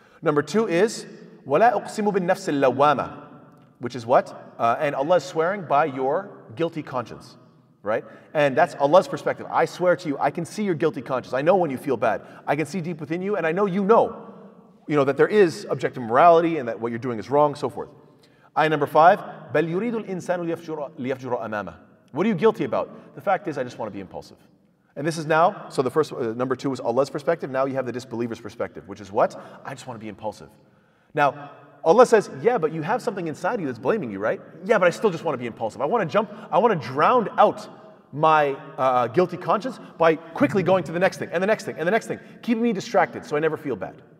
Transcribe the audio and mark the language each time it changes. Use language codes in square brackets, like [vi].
[en] Number two is, [ar] wala uqsimu bin nafsil lawama, [en] which is what? And Allah is swearing by your guilty conscience, right? And that's Allah's perspective. I swear to you, I can see your guilty conscience. I know when you feel bad. I can see deep within you, and I know you know that there is objective morality and that what you're doing is wrong, so forth. Ayah number five, [ar] بَلْ يُرِيدُ الْإِنسَانُ لِيَفْجُرَ أَمَامَهُ. [en] What are you guilty about? The fact is, I just want to be impulsive. And this is now, so the first, number two is Allah's perspective. Now you have the disbeliever's perspective, which is what? I just want to be impulsive. Now, Allah says, yeah, but you have something inside of you that's blaming you, right? Yeah, but I still just want to be impulsive. I want to drown out my guilty conscience by quickly going to the next thing, and the next thing, and the next thing, keeping me distracted so I never feel bad.